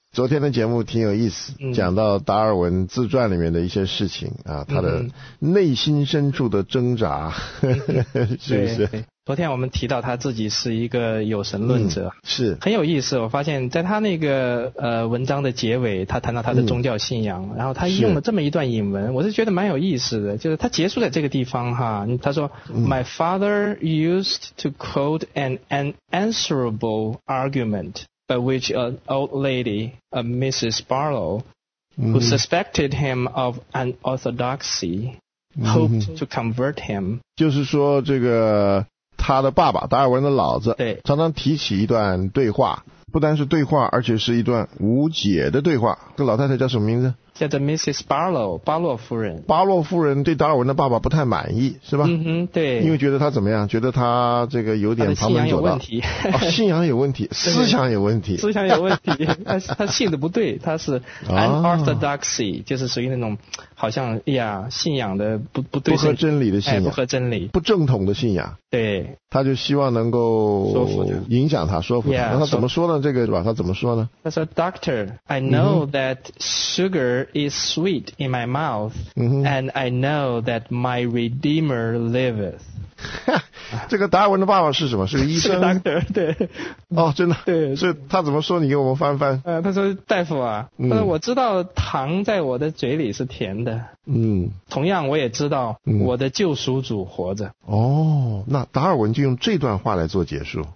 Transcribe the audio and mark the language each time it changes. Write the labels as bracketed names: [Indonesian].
[Chinese] 昨天的节目挺有意思，讲到达尔文自传里面的一些事情啊，他的内心深处的挣扎是不是？昨天我们提到他自己是一个有神论者，是很有意思。我发现在他那个文章的结尾，他谈到他的宗教信仰，然后他用了这么一段引文，我是觉得蛮有意思的。就是他结束在这个地方哈，他说、 [English] My father used to quote an unanswerable argument by which an old lady, a Mrs. Barlow, who suspected him of unorthodoxy, hoped to convert him. [Chinese] 就是说这个他的爸爸达尔文的老子常常提起一段对话，不单是对话，而且是一段无解的对话。这老太太叫什么名字？叫做 Mrs. Barlow， 巴洛夫人。巴洛夫人对达尔文的爸爸不太满意，是吧？嗯哼，对。因为觉得他怎么样？觉得他这个有点旁门左道。他的信仰有问题。哦、信仰有问题，思想有问题。思想有问题，他信的不对，他是 unorthodoxy，、就是属于那种好像哎呀信仰的不对。不合真理的信仰、哎。不合真理。不正统的信仰。对。他就希望能够影响他，说服他。 [English] Yeah, [Chinese] 那他怎么说呢？这个是吧？他怎么说呢？他说 [English] ：“Doctor, I know that sugar is sweet in my mouth,、and I know that my Redeemer liveth.” [Chinese] 这个达尔文的爸爸是什么？是个医生。是个 doctor， 对。哦，真的。对。所以他怎么说？你给我们翻翻。他说：“大夫啊，他说我知道糖在我的嘴里是甜的。” 同样我也知道我的救赎主活着。那达尔文就用这段话来做结束。